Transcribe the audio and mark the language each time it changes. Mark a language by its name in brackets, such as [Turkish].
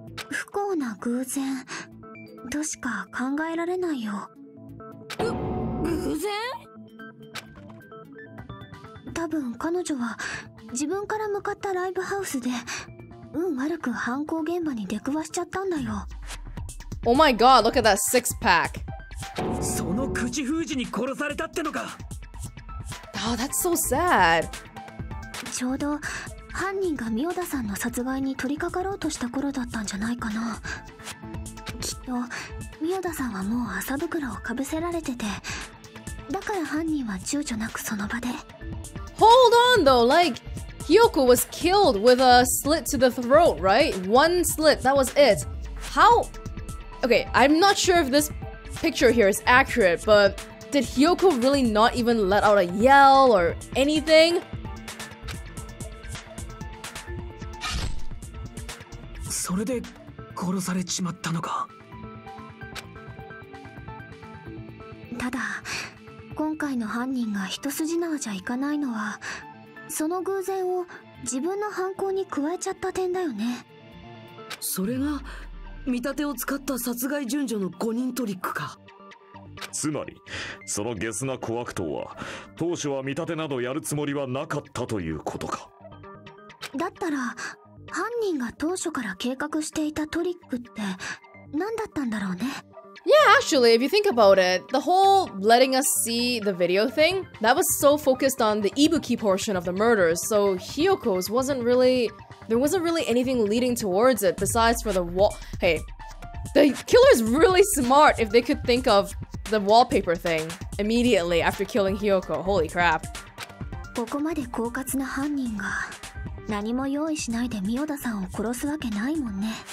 [Japanese] 不幸な偶然としか考えられないよ。偶然？多分彼女は自分から向かったライブハウスで運悪く犯行現場に出くわしちゃったんだよ。 [English] Oh my god, look at that six pack. [Japanese] その口封じに殺されたってのか。 [English] Oh, that's so sad. [Japanese] ちょうど犯人が三尾田さんの殺害に取り掛かろうとした頃だったんじゃないかな。きっと三尾田さんはもう麻袋をかぶせられてて、だから犯人は躊躇なくその場で。 [English] Hold on though, like, Hyoko was killed with a slit to the throat, right? One slit, that was it. How? Okay, I'm not sure if this picture here is accurate, but did Hyoko really not even let out a yell or anything? [Japanese] それで殺されちまったのか。ただ今回の犯人が一筋縄じゃいかないのは、その偶然を自分の犯行に加えちゃった点だよね。それが見立てを使った殺害順序の誤認トリックか。つまりそのゲスな小悪党は当初は見立てなどやるつもりはなかったということか。だったら犯人が当初から計画していたトリックって何だったんだろうね。 [English] Yeah, actually, if you think about it, the whole letting us see the video thing, that was so focused on the Ibuki portion of the murders, so Hyoko's wasn't really... There wasn't really anything leading towards it besides for the wall... Hey, the killer's really smart if they could think of the wallpaper thing immediately after killing Hyoko. Holy crap. [Japanese] ここまで狡猾な犯人が何も用意しないでミオダさんを殺すわけないもんね。